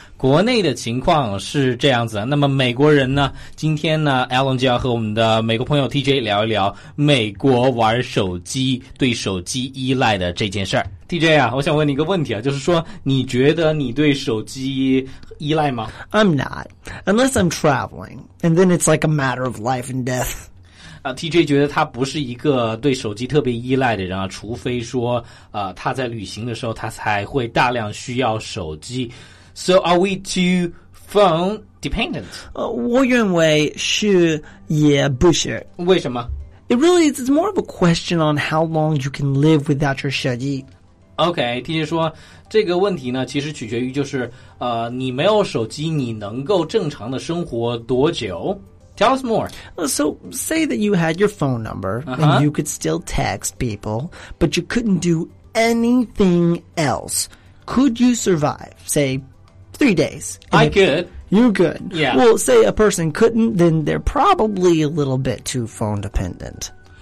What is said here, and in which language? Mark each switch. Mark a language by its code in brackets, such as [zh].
[zh] 国内的情况是这样子，那么美国人呢，今天呢 Alan 就要和我们的美国朋友 TJ 聊一聊美国玩手机对手机依赖的这件事儿。 TJ 啊，我想问你一个问题啊，就是说你觉得你对手机依赖吗？ [en] I'm not. Unless I'm traveling. And then it's like a matter of life and death. [zh] TJ 觉得他不是一个对手机特别依赖的人啊，除非说他在旅行的时候他才会大量需要手机。 [en] So are we too phone dependent? [zh] 我认为是也不是。为什么？ [en] It really is more of a question on how long you can live without your [zh] 手机。 OK, TJ 说这个问题呢其实取决于就是你没有手机你能够正常的生活多久。 [en] Tell us more. So say that you had your phone number、uh-huh. and you could still text people, but you couldn't do anything else. Could you survive, say, 3 days? I could. You could. Yeah. Well, say a person couldn't, then they're probably a little bit too phone dependent.